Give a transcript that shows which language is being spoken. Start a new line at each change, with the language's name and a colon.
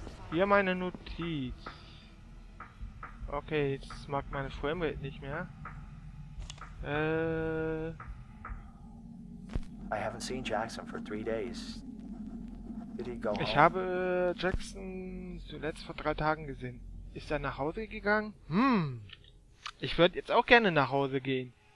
German: Hier meine Notiz. Okay, jetzt mag meine Framerate nicht mehr.
English: I haven't seen Jackson for 3 days.
German: Ich habe Jackson zuletzt vor 3 Tagen gesehen. Ist er nach Hause gegangen? Ich würde jetzt auch gerne nach Hause gehen.